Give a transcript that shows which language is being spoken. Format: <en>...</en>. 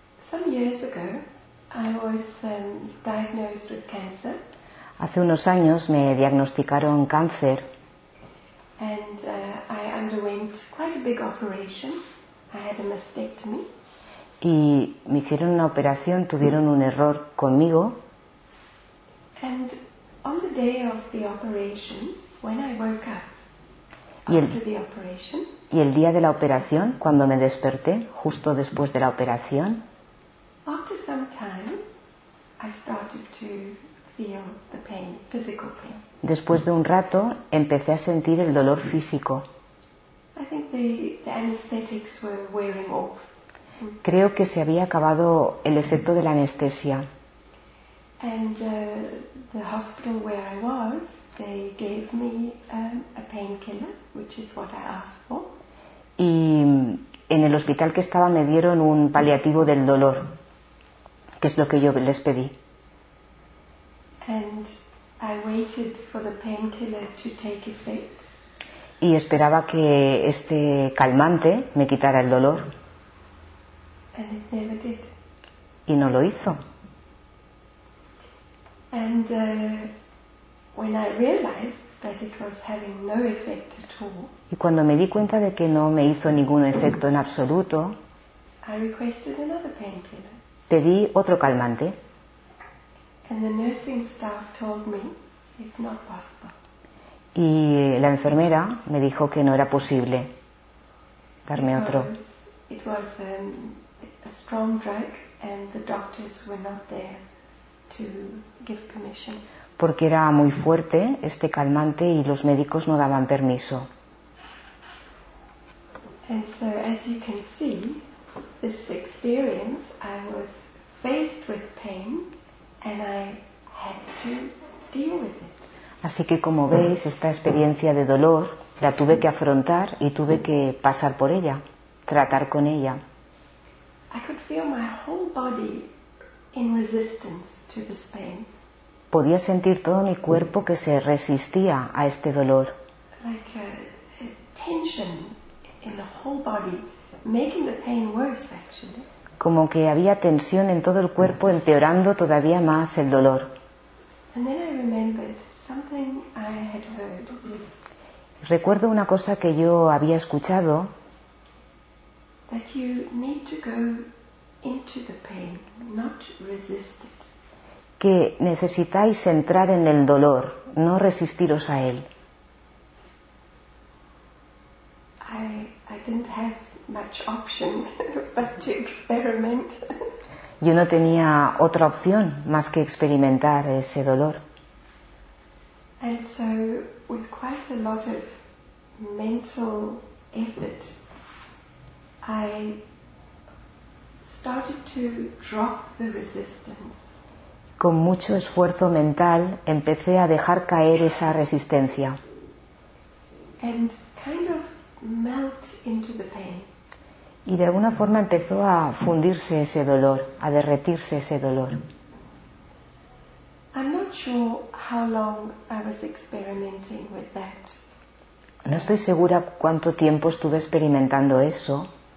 <en>Some years ago, I was, diagnosed with cancer.</en> <es>Hace unos años me diagnosticaron cáncer.</es> <en>And, I underwent quite a big operation. I had a mastectomy.</en> <es>Y me hicieron una operación, tuvieron un error conmigo.</es> <en>And on the day of the operation, when I woke up after the operation,</en> <es>y el día de la operación, cuando me desperté, justo después de la operación,</es> <en>after some time, I started to feel the pain, physical pain.</en> <es>Después de un rato, empecé a sentir el dolor físico.</es> <en>I think the anesthetics were wearing off.</en> <es>Creo que se había acabado el efecto de la anestesia.</es> <en>And the hospital where I was, they gave me a painkiller, which is what I asked for.</en> <es>Y en el hospital que estaba me dieron un paliativo del dolor, que es lo que yo les pedí.</es> <en>And I waited for the painkiller to take effect.</en> <es>Y esperaba que este calmante me quitara el dolor.</es> <en>And it never did.</en> <es>Y no lo hizo.</es> <en>And when I realized that it was having no effect at all,</en> <es>y cuando me di cuenta de que no me hizo ningún efecto en absoluto,</es> <en>I requested another painkiller.</en> <es>Pedí otro calmante.</es> <en>And the nursing staff told me it's not possible.</en> <es>Y la enfermera me dijo que no era posible darme otro.</es> <en>It was a strong drug and the doctors were not there to give permission.</en> <es>Porque era muy fuerte este calmante y los médicos no daban permiso.</es> <en>And so, as you can see, this experience, I was faced with pain and I had to deal with it.</en> <es>Así que como veis, esta experiencia de dolor, La tuve que afrontar y tuve que pasar por ella, tratar con ella.</es> <en>I could feel my whole body in resistance to this pain.</en> <es>Podía sentir todo mi cuerpo que se resistía a este dolor.</es> <en>Like a tension in the whole body, making the pain worse, actually.</en> <es>Como que había tensión en todo el cuerpo, empeorando todavía más el dolor.</es> <en>And then I remembered something I had heard.</en> <es>Recuerdo una cosa que yo había escuchado.</es> <en>That you need to go into the pain, not resist it.</en> <es>Que necesitáis entrar en el dolor, no resistiros a él.</es> <en>I didn't have much option but to experiment.</en> <es>Yo no tenía otra opción más que experimentar ese dolor.</es> <en>And so, with quite a lot of mental effort, I started to drop the resistance.</en> <es>Con mucho esfuerzo mental, empecé a dejar caer esa resistencia.</es> <en>And kind of melt into the pain.</en> <es>Y de alguna forma empezó a fundirse ese dolor, a derretirse ese dolor.</es> <en>I'm not sure how long I was experimenting with that.</en> <es>No estoy segura cuánto tiempo estuve experimentando eso.</es>